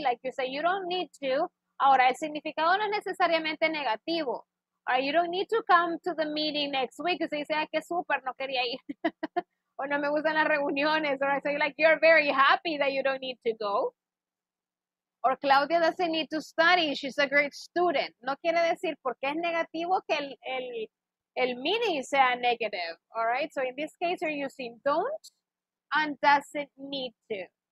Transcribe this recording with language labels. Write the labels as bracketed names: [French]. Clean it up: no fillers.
[English] Like you say, you don't need to. [Spanish] Ahora, el significado no es necesariamente negativo. [English] All right, you don't need to come to the meeting next week. So you say, [Spanish] ay, que super, no quería ir. O no me gustan las reuniones. [English] Or I say, like, you're very happy that you don't need to go. Or Claudia doesn't need to study. She's a great student. [Spanish] No quiere decir porque es negativo que el meeting sea negative. [English] All right? So in this case, you're using don't and doesn't need to.